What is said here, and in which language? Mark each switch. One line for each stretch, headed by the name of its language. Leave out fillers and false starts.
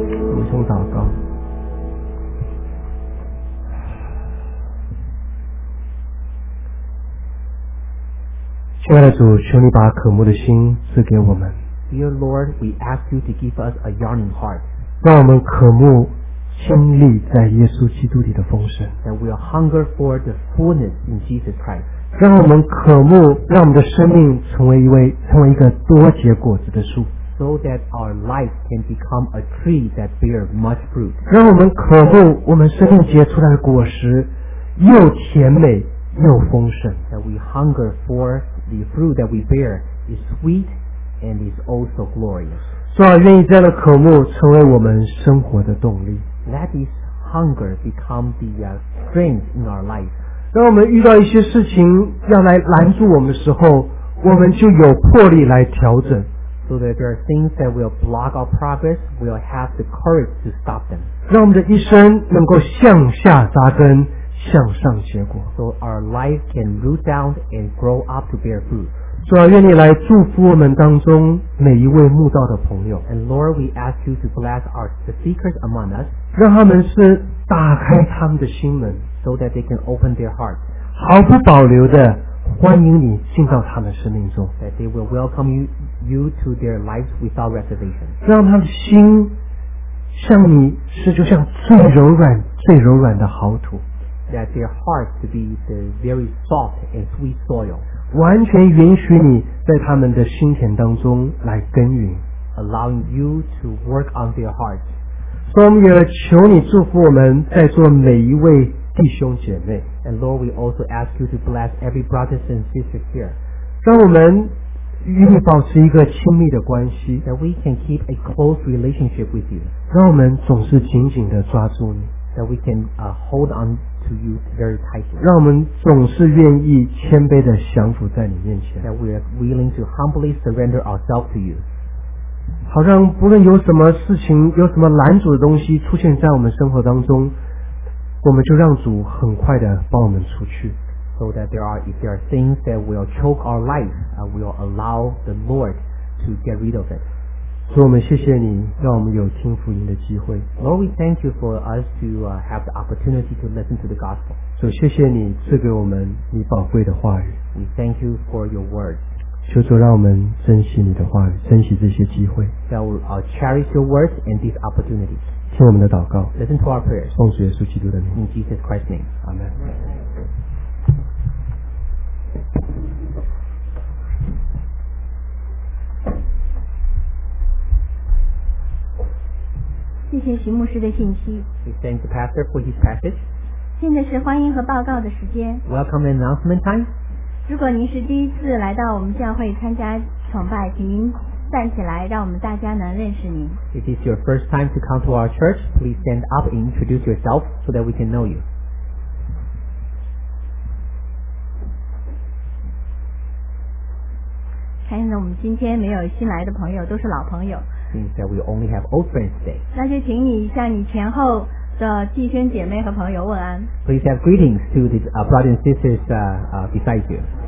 Chinese: 我们从祷告，亲爱的主，求你把渴慕的心赐给我们。
English: Dear Lord, we ask you to give us a yearning heart.
Chinese: 让我们渴慕经历在耶稣基督里的丰盛。
English: That we'll hunger for the fullness in Jesus Christ.
Chinese: 让我们渴慕，让我们的生命成为一个多结果子的树。
English: So that our life can become a tree that bears much fruit.
Chinese: 让我们渴慕我们生命结出来的果实又甜美又丰盛。
English: That we hunger for the fruit that we bear is sweet. And is also glorious.
Chinese: 主啊，愿意这样的渴慕成为我们生活的动力。
English: Let this hunger become the strength in our life.
Chinese: 当我们遇到一些事情要来拦住我们的时候，我们就有魄力来调整。
English: So that there are things that will block our progress, we'll have the courage to stop them.
Chinese: 让我们的一生能够向下扎根，向上结果。
English: So our life can root down and grow up to bear fruit.
Chinese: 主啊，愿你来祝福我们当中每一位慕道的朋友。
English: And Lord, we ask you to bless our speakers among us.
Chinese: 让他们是打开他们的心门
English: ，so that they can open their hearts.
Chinese: 毫不保留的欢迎你进到他们生命中。
English: That they will welcome you to their lives without reservation.
Chinese: 让他们心像你是就像最柔软、最柔软的好土。
English: That their heart to be the very soft and sweet soil.
Chinese: 完全允许你在他们的心田当中来耕耘。
English: Allowing you to work on their hearts.
Chinese: 所以我们也求你祝福我们在座每一位弟兄姐妹。
English: And Lord, we also ask you to bless every brother and sister here.
Chinese: 让我们与你保持一个亲密的关系。
English: That we can keep a close relationship with you.
Chinese: 让我们总是紧紧地抓住你。
English: That we can hold on to you very tightly.
Chinese: 让我们总是愿意谦卑地降服在你面前。
English: That we are willing to humbly surrender ourselves to you.
Chinese: 好让不论有什么事情有什么拦阻的东西出现在我们生活当中我们就让主很快地帮我们出去
English: so that if there are things that will choke our life we'll allow the Lord to get rid of it
Chinese: 所以我们谢谢你让我们有听福音的机会
English: Lord we thank you for us to have the opportunity to listen to the gospel
Chinese: 主谢谢你赐给我们你宝贵的话语
English: we thank you for your word
Chinese: 求主让我们珍惜你的话语珍惜这些机会
English: That will cherish your words and these opportunities
Chinese: 听我们的祷告
English: Listen to our prayers
Chinese: 奉主耶稣基督的名
English: In Jesus Christ's name Amen
Chinese: 谢谢徐牧师的信息
English: We thank the pastor for his passage
Chinese: 现在是欢迎和报告的时间
English: Welcome and announcement time
Chinese: 如果您是第一次来到我们教会参加崇拜请您站起来让我们大家能认识您
English: If it's your first time to come to our church please stand up and introduce yourself so that we can know you
Chinese: 看见我们今天没有新来的朋友都是老朋友
English: Seems that we only have old friends today
Chinese: 那就请你向你前后的弟兄姐妹和朋友问安
English: Please have greetings to the brothers and sisters beside you